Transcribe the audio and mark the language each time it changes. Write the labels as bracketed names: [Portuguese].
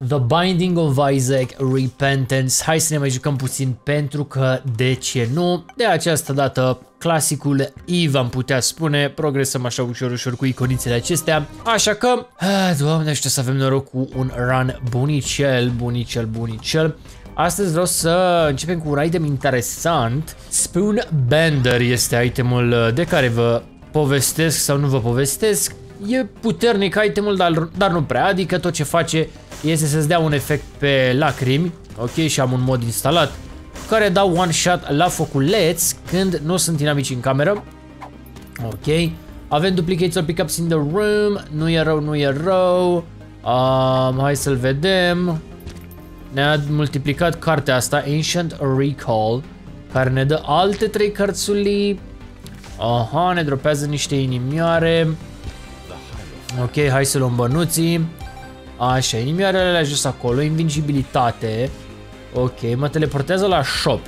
[English] The Binding of Isaac, Repentance. [Romanian] Hai să ne mai jucăm puțin, pentru că de ce nu? De această dată, clasicul Eve, am putea spune. Progresăm așa ușor, ușor cu iconițele acestea. Așa că, Doamne, aștept să avem noroc cu un run bunicel, bunicel, bunicel. Astăzi vreau să începem cu un item interesant. Spoon Bender este itemul de care vă povestesc sau nu vă povestesc. E puternic itemul, dar nu prea. Adică tot ce face este să-ți dea un efect pe lacrimi. Ok, și am un mod instalat care dau one shot la foculeț când nu sunt inamici în cameră. [English] Ok, avem duplicates or pickups in the room. [Romanian] Nu e rău, nu e rău. Hai să-l vedem. Ne-a multiplicat cartea asta, Ancient Recall, care ne dă alte 3 cărțuli. Aha, ne dropează niște inimioare. Ok, hai să luăm bănuții. Așa, inimioarele alea ajuns acolo, invincibilitate. Ok, mă teleportează la shop.